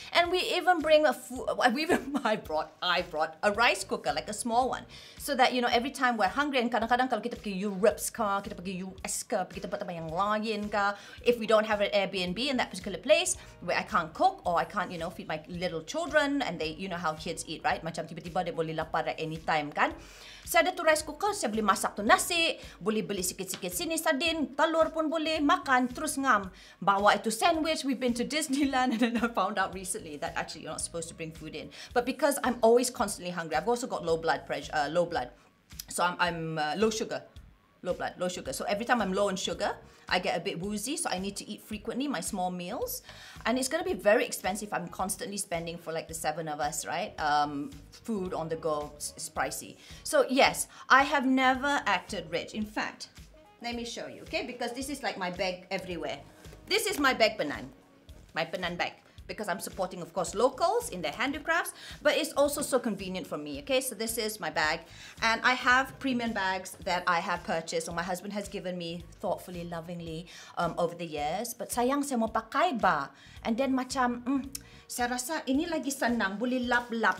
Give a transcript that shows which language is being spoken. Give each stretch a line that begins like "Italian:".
English: And we even bring a food, I brought a rice cooker, like a small one. So that, you know, every time we're hungry, and
Malay: kadang-kadang kalau kita pergi Europe kah, kita pergi US kah, pergi tempat-tempat yang lain kah,
English: if we don't have an Airbnb in that particular place, where I can't cook, or I can't, you know, feed my little children, and they, you know how kids eat, right?
Malay: Macam tiba-tiba dia boleh lapar
English: at any time,
Malay: kan? Saya ada tu rice cooker, saya boleh masak tu nasi, boleh beli sikit-sikit sini sardin, telur pun boleh makan, terus ngam. Bawa itu sandwich,
English: we've been to Disneyland, and then I found out recently that actually you're not supposed to bring food in. But because I'm always constantly hungry, I've also got low blood pressure. So I'm low sugar. So every time I'm low on sugar, I get a bit woozy, so I need to eat frequently my small meals. And it's going to be very expensive. I'm constantly spending for like the seven of us, right? Food on the go is pricey. So yes, I have never acted rich. In fact, let me show you, okay? Because this is like my bag everywhere. This is my bag penan, my penan bag. Because I'm supporting, of course, locals in their handicrafts, but it's also so convenient for me, okay? So this is my bag, and I have premium bags that I have purchased, or my husband has given me thoughtfully, lovingly, over the years.
Malay: But sayang, saya mau pakai ba. And then macam, saya rasa ini lagi senang, boleh lap-lap.